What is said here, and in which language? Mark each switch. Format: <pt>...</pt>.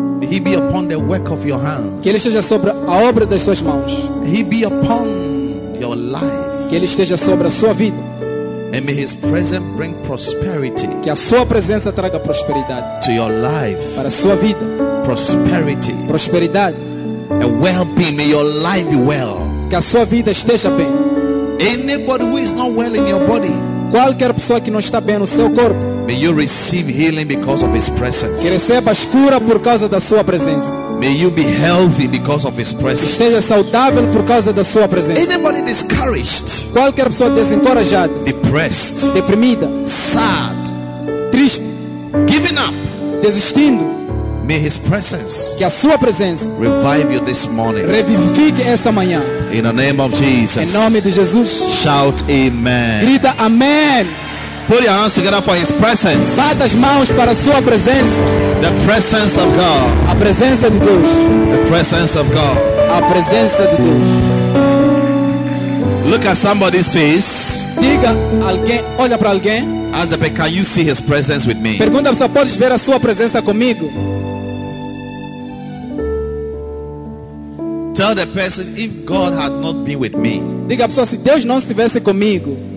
<en>May he be upon the work of your hands.</en> <pt>Que ele esteja sobre a obra das suas mãos.</pt> <en>May he be upon your life.</en> <pt>Que ele esteja sobre a sua vida.</pt> <en>And may his presence bring prosperity.</en> <pt>Que a sua presença traga prosperidade.</pt> <en>To your life.</en> <pt>Para a sua vida.</pt> <en>Prosperity.</en> <pt>Prosperidade.</pt> <en>A well-being. May your life be well.</en> <pt>Que a sua vida esteja bem.</pt> <en>Anybody who is not well in your body.</en> <pt>Qualquer pessoa que não está bem no seu corpo.</pt> <en>May you receive healing because of his presence.</en> <pt>Que receba a cura por causa da sua presença.</pt> <en>May you be healthy because of his presence.</en> <pt>Seja saudável por causa da sua presença.</pt> <en>Anybody discouraged?</en> <pt>Qualquer pessoa desencorajada?</pt> <en>Depressed?</en> <pt>Deprimida?</pt> <en>Sad?</en> <pt>Triste?</pt> <en>Giving up?</en> <pt>Desistindo?</pt> <en>May his presence.</en> <pt>Que a sua presença</pt> <en>revive you this morning.</en> <pt>Revivifique essa manhã.</pt> <en>In the name of Jesus.</en> <pt>Em nome de Jesus.</pt> <en>Shout amen.</en> <pt>Grita amém.</pt> <en>Put your hands together for his presence.</en> <pt>Bata as mãos para a sua presença.</pt> <en>The presence of God.</en> <pt>A presença de Deus.</pt> <en>The presence of God.</en> <pt>A presença de Deus.</pt> <en>Look at somebody's face.</en> <pt>Diga alguém, olha para alguém.</pt> <en>Ask the person, can you see his presence with me?</en> <pt>Pergunta se pode ver a sua presença comigo.</pt> <en>Tell the person, if God had not been with me.</en> <pt>Diga a pessoa, se Deus não estivesse comigo.</pt>